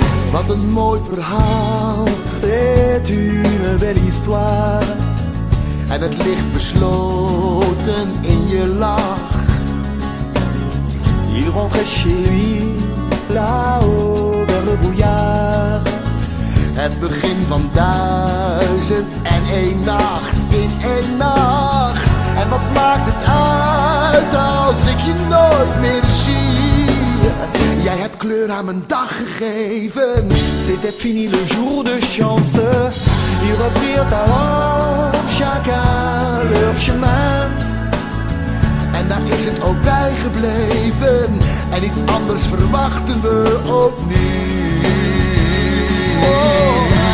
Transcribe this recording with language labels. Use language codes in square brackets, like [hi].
[nl] Wat een mooi verhaal, [fr] c'est une belle histoire. [nl] En het ligt besloten in je lach. [fr] Il rentrait chez lui, là-haut vers le brouillard. [nl] Het begin van duizend en één nacht, in één nacht. En wat maakt het uit als ik je nooit meer zie? Jij hebt kleur aan mijn dag gegeven. [fr] C'était fini le jour de chance. Ils reprirent alors chacun leur chemin. [nl] En daar is het ook bij gebleven. En iets anders verwachten we opnieuw. Oh.